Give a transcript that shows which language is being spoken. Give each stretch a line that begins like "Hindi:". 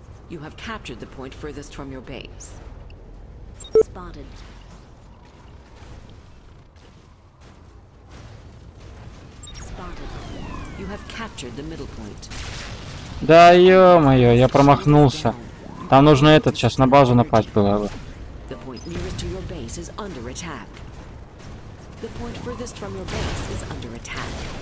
English: You have captured the point furthest from your base. Spotted. Spotted. You have captured the middle point.
Russian: Да ё-моё, я промахнулся. Там нужно этот сейчас на базу напасть было бы.
English: The point nearest to your base is under attack. The point furthest from your base is under attack.